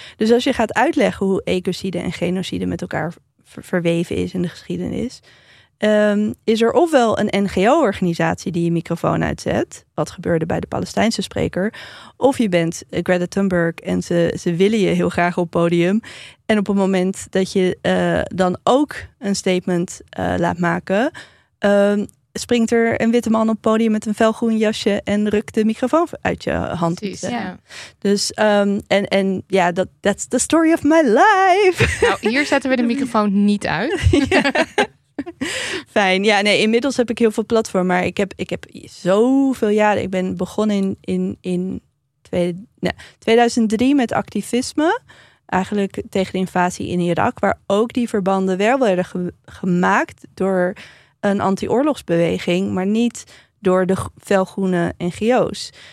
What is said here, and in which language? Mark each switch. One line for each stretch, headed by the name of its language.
Dutch: Dus als je gaat uitleggen hoe ecocide en genocide met elkaar verweven is in de geschiedenis, is er ofwel een NGO-organisatie die je microfoon uitzet, wat gebeurde bij de Palestijnse spreker, of je bent Greta Thunberg en ze willen je heel graag op podium. En op het moment dat je dan ook een statement laat maken, springt er een witte man op het podium met een felgroen jasje en rukt de microfoon uit je hand. Precies, ja.
English: Dus ja, that's the story of my life.
Dutch: Nou, hier zetten we de microfoon niet uit. Fijn. Ja, nee, inmiddels heb ik heel veel platform, maar ik heb zoveel jaren. Ik ben begonnen in 2003 met activisme. Eigenlijk tegen de invasie in Irak, waar ook die verbanden wel werden gemaakt door een anti-oorlogsbeweging, maar niet door de felgroene NGO's.